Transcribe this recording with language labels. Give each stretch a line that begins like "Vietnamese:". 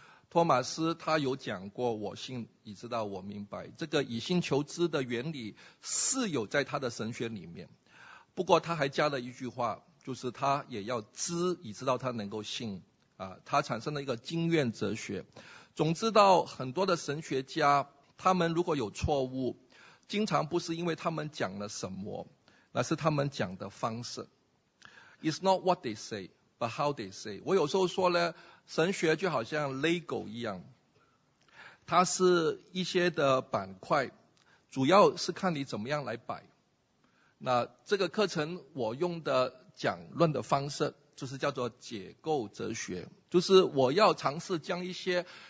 Chinese: 托马斯他有讲过我信以直到我明白，这个以信求知的原理是有在他的神学里面，不过他还加了一句话，就是他也要知以直到他能够信啊，他产生了一个经验哲学。总知道很多的神学家他们如果有错误，经常不是因为他们讲了什么，那是他们讲的方式。
English: It's not what they say but how they say。
Chinese: 我有时候说呢，神学就好像 Lego 一样，它是一些的板块，主要是看你怎么样来摆。那这个课程我用的讲论的方式就是叫做解构哲学，就是我要尝试将一些